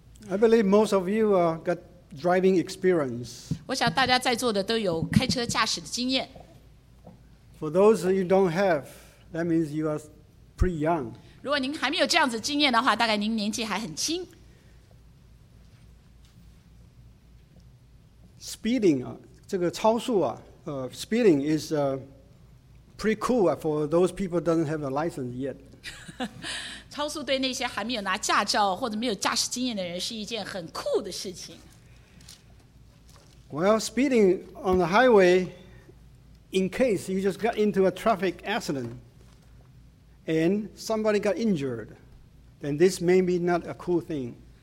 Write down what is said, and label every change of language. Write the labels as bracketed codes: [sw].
[en] I believe most of you got driving experience. [zh] 我想大家在座的都有开车驾驶的经验。 [en] For those that you don't have, that means you are pretty young. [zh] 如果您还没有这样子经验的话，大概您年纪还很轻。 Speeding 啊，这个超速啊。 [en] Speeding is pretty cool for those people who don't have a license yet. [zh] 超速对那些还没有拿驾照或者没有驾驶经验的人是一件很酷的事情。 [en] Well, speeding on the highway, in case you just got into a traffic accident and somebody got injured, then this may be not a cool thing.